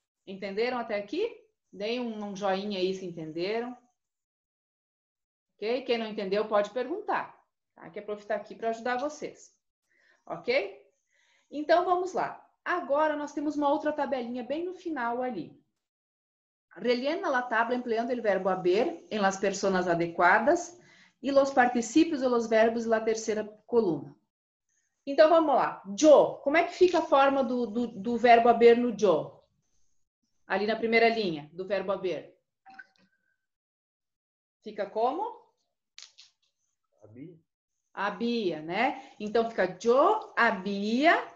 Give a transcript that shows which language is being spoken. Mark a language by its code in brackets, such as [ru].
[pt] Entenderam até aqui? Deem um joinha aí se entenderam. Ok? Quem não entendeu pode perguntar. Tá, que aproveitar aqui para ajudar vocês. Ok? Então vamos lá. Agora nós temos uma outra tabelinha bem no final ali. [es] Reliendo la tabla empleando el verbo haber en las personas adecuadas y los participios de los verbos en la tercera columna. [pt] Então, vamos lá. Yo, como é que fica a forma do verbo haber no yo? Ali na primeira linha, do verbo haber. Fica como? Habia, né? Então, fica yo, habia.